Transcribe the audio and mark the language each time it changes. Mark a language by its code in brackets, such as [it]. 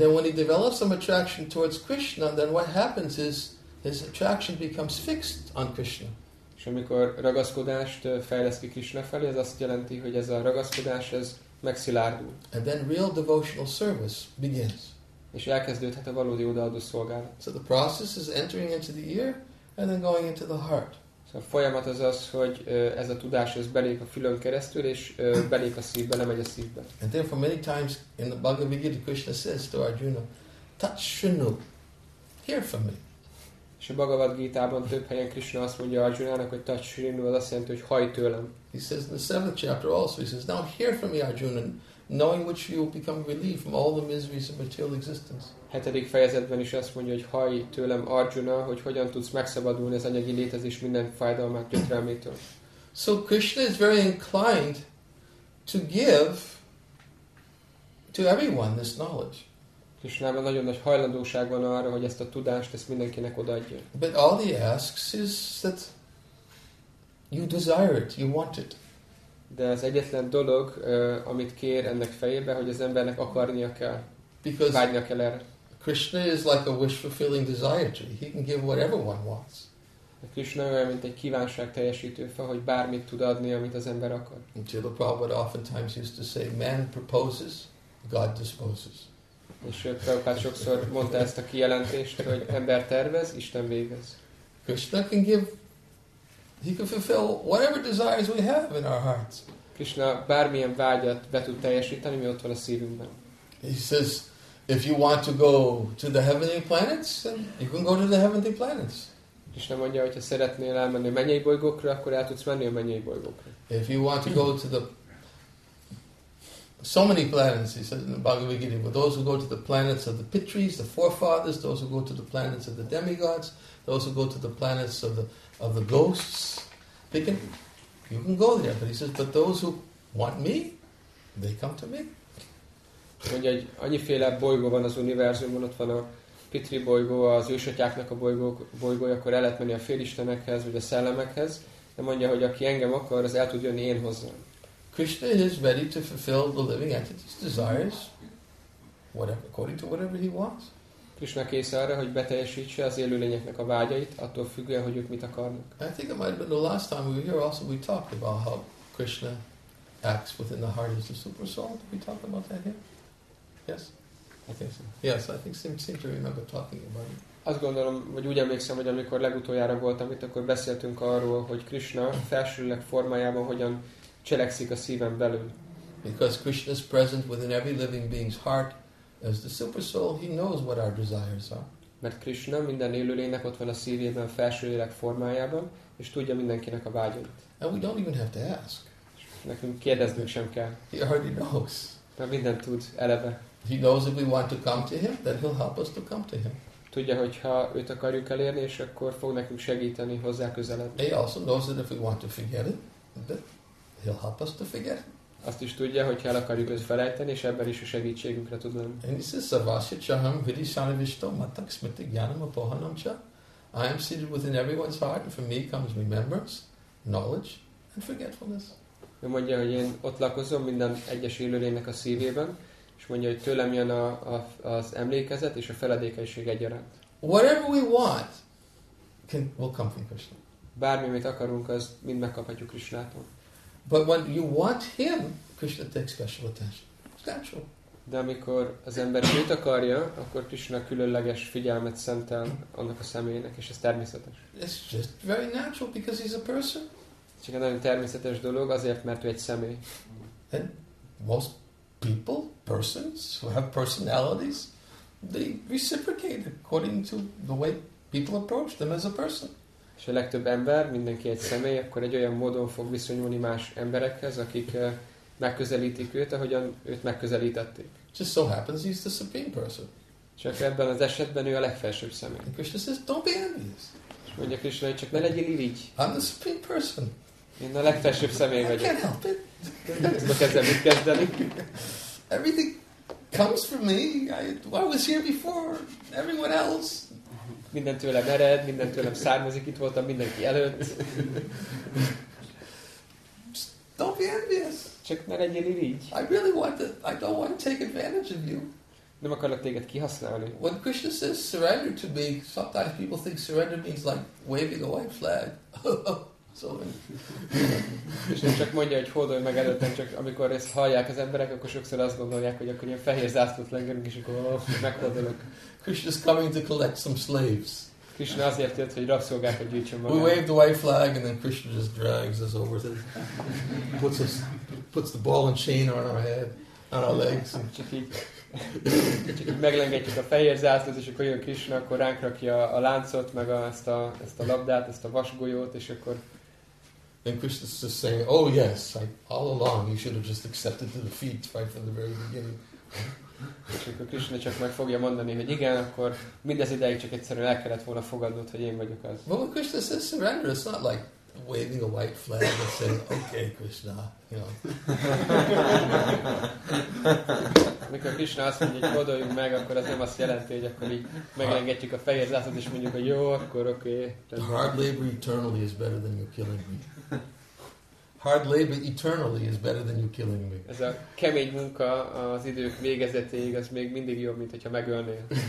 [en] And then when he develops some attraction towards Krishna, then what happens is his attraction becomes fixed on Krishna. [hu] És amikor ragaszkodást fejleszt ki Krishna felé, ez azt jelenti, hogy ez a ragaszkodás ez megszilárdul. [en] And then real devotional service begins. [hu] És elkezdődhet a valódi odaadó szolgálat. [en] So the process is entering into the ear and then going into the heart. [hu] A folyamat az, hogy ez a tudás ez belép a fülön keresztül és belép a szívbe, lemegy a szívbe. [en] And therefore many times in the Bhagavad Gita Krishna says to Arjuna, [sa] "Tat shrinu, [en] hear from me." [hu] És a Bhagavad Gita-ban több helyen Krishna azt mondja Arjuna-nak, hogy [sa] touch Srinu, [hu] az azt jelenti, hogy hajj tőlem. [en] He says in the 7th chapter also, he says, now hear from me, Arjuna, knowing which you will become relieved from all the miseries of material existence. [hu] 7. fejezetben is azt mondja, hogy hajj tőlem, Arjuna, hogy hogyan tudsz megszabadulni az anyagi létezés minden fájdalmát, gyötrelmétől. [en] So Krishna is very inclined to give to everyone this knowledge. [hu] Krisnában nagyon nagy hajlandóság van arra, hogy ezt a tudást ezt mindenkinek odaadja. [en] But all he asks is that you desire it, you want it. [hu] De az egyetlen dolog, amit kér ennek fejébe, hogy az embernek akarnia kell, [en] because [hu] vágynia kell erre. [en] Krishna is like a wish-fulfilling desire tree. He can give what everyone wants. [hu] A Krishna olyan, mint egy kívánság teljesítő fa, hogy bármit tud adni, amit az ember akar. [en] Srila Prabhupada oftentimes used to say, man proposes, God disposes. [hu] És Prabhupada sokszor mondta ezt a kijelentést, hogy ember tervez, Isten végez. [en] Krishna can give, he can fulfill whatever desires we have in our hearts. [hu] Krishna bármilyen vágyat be tud teljesíteni, mi ott van a szívünkben. [en] He says, if you want to go to the heavenly planets, then you can go to the heavenly planets. [hu] Krishna mondja, hogy ha szeretnél elmenni a mennyei bolygókra, akkor el tudsz menni a mennyei bolygókra. [en] If you want to go to the so many planets, he says in the Bhagavad Gita, but those who go to the planets of the Pitris, the forefathers, those who go to the planets of the demigods, those who go to the planets of the ghosts, they can, you can go there. But he says, but those who want me, they come to me. [hu] Mondja, hogy annyiféle bolygó van az univerzumon, ott van a Pitri bolygó, az ősatyáknak a bolygója, akkor el lehet menni a félistenekhez, vagy a szellemekhez, de mondja, hogy aki engem akar, az el tud jönni én hozzám. [en] Krishna is ready to fulfill the living entity's desires, whatever, according to whatever he wants. [hu] Krishna kész arra, hogy beteljesítse az élőlényeknek a vágyait, attól függően, hogy ők mit akarnak. [en] I think it might have been the last time we were here also, we talked about how Krishna acts within the heart of the super soul. Did we talk about that here? Yes? I think so. Yes, I think seem to remember talking about it. [hu] Azt gondolom, vagy úgy emlékszem, hogy amikor legutoljára voltam itt, akkor beszéltünk arról, hogy Krishna felsőleg formájában hogyan cselekszik a szívem belül. [en] Because Krishna is present within every living being's heart as the super soul, he knows what our desires are. [hu] Mert Krishna minden élőlénynek ott van a szívében felső lélek formájában, és tudja mindenkinek a vágyait. [en] And we don't even have to ask. [hu] Nekünk kérdeznünk sem kell. [en] He already knows. [hu] Mert mindent tud eleve. [en] He knows if we want to come to him, then he'll help us to come to him. [hu] Tudja, hogy ha őt akarjuk elérni, és akkor fog nekünk segíteni hozzá közeledni. [en] He also knows that if we want to forget it, then he'll help us to forget. [hu] Azt is tudja, hogy el akarjuk ezt felejteni, és ebben is a segítségünkre tud lenni. [sa] And he says, Savasya Chaham Vidhi Sanavishto Matak Smriti Gyanam Apohanam Cha. [en] I am seated within everyone's heart, and from me comes remembrance, knowledge, and forgetfulness. [hu] Ő mondja, hogy én ott lakozom minden egyes élőlénynek a szívében, és mondja, hogy tőlem jön az emlékezet és a feledékenység egyaránt. [en] Whatever we want, will come from Krishna. [hu] Bármi, amit akarunk, az mind megkaphatjuk Krishnától. [en] But when you want him, Krishna takes special attention. It's natural. [hu] De amikor az ember őt akarja, akkor Krishna különleges figyelmet szentel annak a személynek, és ez természetes. [en] It's just very natural because he's a person. [hu] Csak egy nagyon természetes dolog, azért, mert ő egy személy. [en] And most people, persons who have personalities, they reciprocate according to the way people approach them as a person. [hu] És a legtöbb ember, mindenki egy személy, akkor egy olyan módon fog viszonyulni más emberekhez, akik megközelítik őt, ahogyan őt megközelítették. [en] Just so happens he's the supreme person. [hu] Csak ebben az esetben ő a legfelsőbb személy. [en] And Krishna says, don't be envious. [hu] És mondja Krishna, hogy csak ne legyél irigy. [en] I'm the supreme person. [hu] Én a legfelsőbb személy vagyok. [en] I can't help it. [hu] Tudok ezzel mit kezdeni. [en] Everything comes from me. I was here before everyone else. [hu] Minden tőlem ered, minden tőlem származik, itt voltam mindenki előtt. [en] Just don't be envious. [hu] Csak ne legyél irigy. [en] I really want to, I don't want to take advantage of you. [hu] Nem akarlak téged kihasználni. [en] When Krishna says surrender to me, sometimes people think surrender means like waving a white flag. [hu] És nem csak mondja, hogy hódolj meg előttem, csak amikor ezt hallják az emberek, akkor sokszor azt gondolják, hogy akkor ilyen fehér zászlót lengedünk, és akkor meghódolok. [en] Krishna's coming to collect some slaves. [hu] Krishna azért jött, hogy rabszolgákat gyűjtsön magát. [en] We wave the white flag, and then Krishna just drags us over to puts the ball and chain on our head, on our legs. [hu] Csak így Kicsit meglengetjük a fehér zászlót, és akkor jön Krishna, akkor ránk rakja a láncot, meg ezt a labdát, ezt a vasgolyót, és akkor... [en] Then Krishna is just saying, oh yes, like all along you should have just accepted the defeat right from the very beginning. [hu] És akkor Krishna csak meg fogja mondani, hogy igen, akkor mindez ideig csak egyszerűen el kellett volna fogadnod, hogy én vagyok az. [en] Well, when Krishna says surrender, it's not like waving a white flag and saying, okay, Krishna, you know. [hu] Amikor Krishna azt mondja, hogy gondoljunk meg, akkor az nem azt jelenti, hogy akkor így megengedjük a fehér zászlót, és mondjuk, hogy jó, akkor oké. [en] Okay. Hard labor eternally is better than you killing me. Hard labor eternally is better than you killing me. [hu] Ez a kemény munka az idők végezetéig, az még mindig jobb, mint hogyha megölnél.